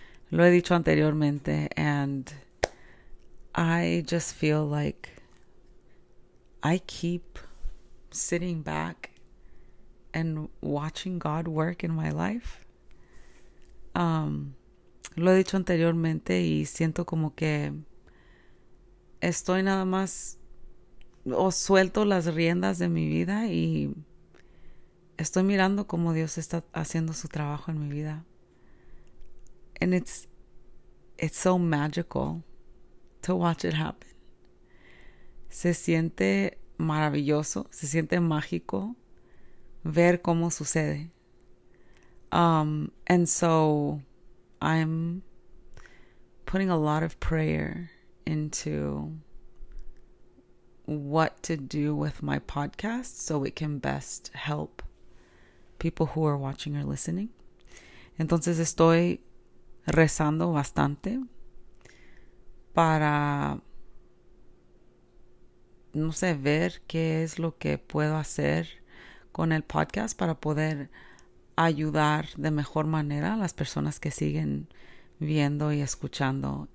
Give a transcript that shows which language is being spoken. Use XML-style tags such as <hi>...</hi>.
<es>Lo he dicho anteriormente,</es> <en>and I just feel like I keep sitting back and watching God work in my life.</en> <es>Lo he dicho anteriormente y siento como que estoy nada más o suelto las riendas de mi vida y estoy mirando cómo Dios está haciendo su trabajo en mi vida.</es> <en>And it's so magical to watch it happen.</en> <es>Se siente maravilloso, se siente mágico ver cómo sucede.</es> <en>And so I'm putting a lot of prayer into what to do with my podcast so it can best help people who are watching or listening.</en> <es>Entonces estoy rezando bastante para, no sé, ver qué es lo que puedo hacer con el podcast para poder ayudar de mejor manera a las personas que siguen viendo y escuchando.</es>